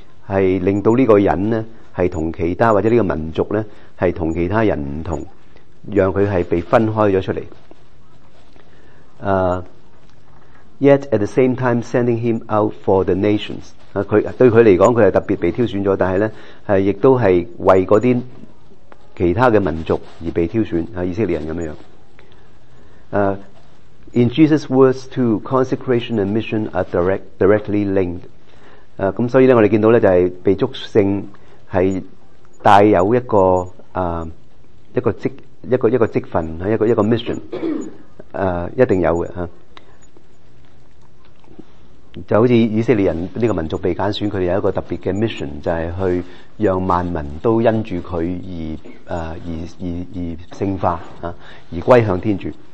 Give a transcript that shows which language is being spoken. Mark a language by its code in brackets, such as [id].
[yue] 是令到呢個人呢是跟其他或者呢個民族呢是跟其他人不同，讓佢是被分開咗出嚟。 [en] Yet at the same time sending him out for the nations。 [yue] 對佢嚟講佢係特別被挑選咗，但係呢係亦都係為嗰啲其他嘅民族而被挑選，以色列人咁樣。 [en] In Jesus' words too, consecration and mission are directly linked。 [yue] 咁所以咧，我哋見到咧就係被祝聖係帶有一個一個職份，一個 mission， 一定有嘅，就好似以色列人呢個民族被揀選，佢哋有一個特別嘅 mission， 就係去讓萬民都因住佢而聖化而歸向天主。